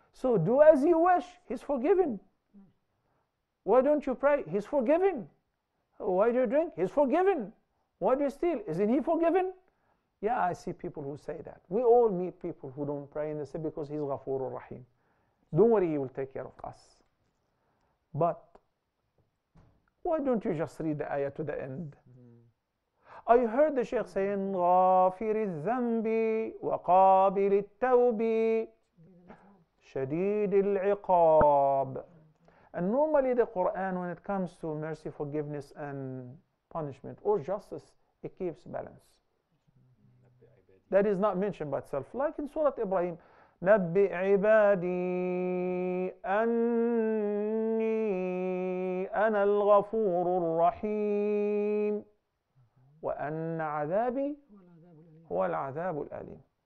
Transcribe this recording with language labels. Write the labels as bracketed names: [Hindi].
[English] So do as you wish, he's forgiven. Why don't you pray? He's forgiven. Why do you drink? He's forgiven. Why do you steal? Isn't he forgiven? Yeah, I see people who say that. We all meet people who don't pray and they say, because he's Ghafoor al-Rahim. Don't worry, he will take care of us. But why don't you just read the ayah to the end? I heard the Shaykh saying, [Arabic] غافر الذنب وقابل التوب شديد العقاب. [English] And normally the Quran, when it comes to mercy, forgiveness and punishment or justice, it keeps balance. That is not mentioned by itself. Like in Surat Ibrahim, [Arabic] نبي عبادي أني أنا الغفور الرحيم وأن عذابي هو العذاب الأليم.